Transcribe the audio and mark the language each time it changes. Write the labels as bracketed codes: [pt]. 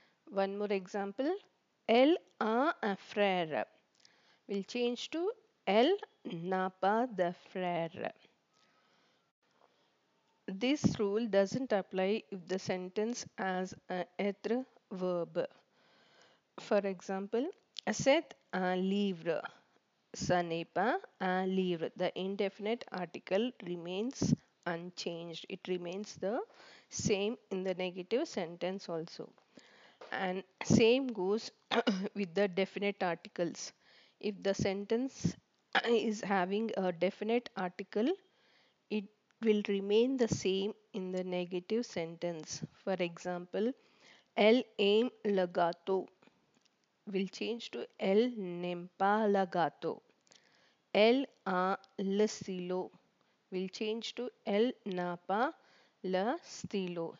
[en] One more example, [fr] elle a un frère [en] will change to [fr] elle n'a pas de frère. [en] This rule doesn't apply if the sentence has an être verb. For example, [fr] c'est un livre. Ce n'est pas un livre. [en] The indefinite article remains unchanged. It remains the same in the negative sentence also. And same goes with the definite articles. If the sentence is having a definite article, it will remain the same in the negative sentence. For example, [fr] elle aime le gâteau [en] will change to [fr] elle n'aime pas le gâteau. Elle a le stylo [en] will change to [fr] elle n'a pas le stylo.